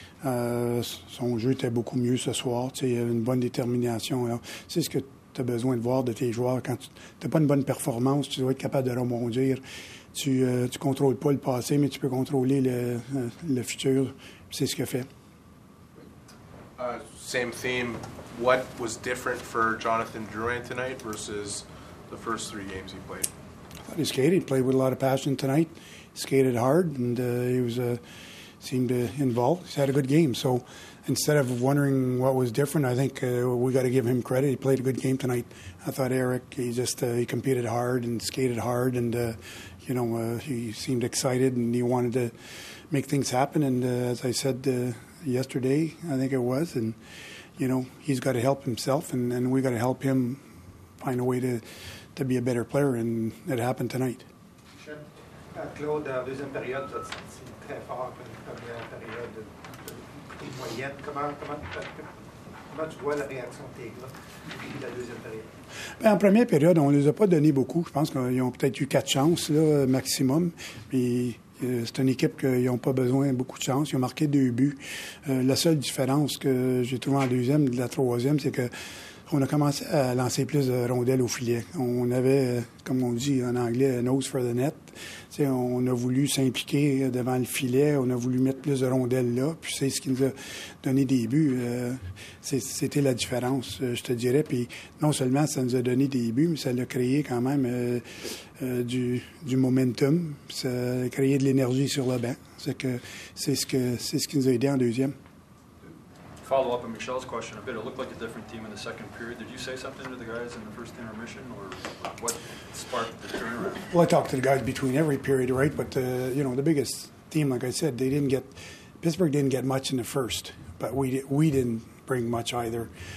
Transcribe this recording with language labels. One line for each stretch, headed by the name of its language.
French: Son jeu était beaucoup mieux ce soir. Tu sais, il a une bonne détermination. Alors, c'est ce que tu as besoin de voir de tes joueurs. Quand tu n'as pas une bonne performance, tu dois être capable de rebondir. Tu ne contrôles pas le passé, mais tu peux contrôler le futur. Puis c'est ce qu'il a fait.
English: Same theme. What was different for Jonathan Drouin tonight versus the first three games he played? I thought he skated. Played with a lot of passion tonight. Skated hard, and he was seemed involved. He's had a good game. So instead of wondering what was different, I think we got to give him credit. He played a good game tonight. I thought Eric. He competed hard and skated hard, and he seemed excited and he wanted to make things happen. And as I said yesterday, I think it was and. You know, he's got to help himself, and we got to help him find a way to be a better player, and it happened tonight.
French: Claude, deuxième période, tu as senti très fort après une première période de moyenne. Comment tu vois la réaction de tes gars? Bien, en première période, on ne les a pas donné beaucoup. Je pense qu'ils ont peut-être eu quatre chances là, maximum. Puis, c'est une équipe qui n'a pas besoin de beaucoup de chances. Ils ont marqué deux buts. La seule différence que j'ai trouvée en deuxième de la troisième, c'est que on a commencé à lancer plus de rondelles au filet. On avait, comme on dit en anglais, «
English: nose for the net ».
French: T'sais, on a voulu s'impliquer devant le filet, on a voulu mettre plus de rondelles là, puis c'est ce qui nous a donné des buts. C'était la différence, je te dirais. Puis non seulement ça nous a donné des buts, mais ça a créé quand même du momentum, ça a créé de l'énergie sur le banc. C'est ce qui nous a aidé en deuxième.
English: Follow up on Michel's question a bit. It looked like a different team in the second period. Did you say something to the guys in the first intermission, or what sparked the turnaround? Well, I talked to the guys between every period, right? But the biggest team, like I said, Pittsburgh didn't get much in the first, but we didn't bring much either.